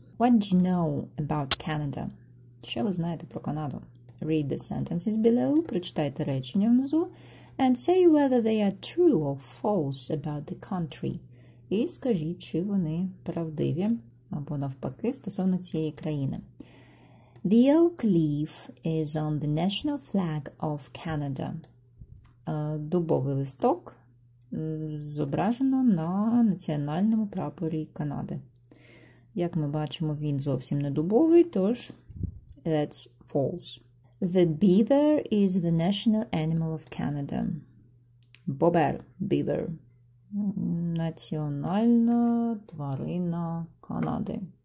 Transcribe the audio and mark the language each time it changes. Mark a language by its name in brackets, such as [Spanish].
[English] What do you know about Canada? [Ukrainian] Що ви знаєте про Канаду? [English] Read the sentences below, [Ukrainian] прочитайте речення внизу, [English] and say whether they are true or false about the country. [Ukrainian] І скажіть, чи вони правдиві або навпаки стосовно цієї країни. [English] The oak leaf is on the national flag of Canada. [Ukrainian] Дубовий листок зображено на національному прапорі Канади. Як ми бачимо, він зовсім не дубовий, тож [English] that's false. The beaver is the national animal of Canada. [Ukrainian] Бобер, beaver. Національна тварина Канади.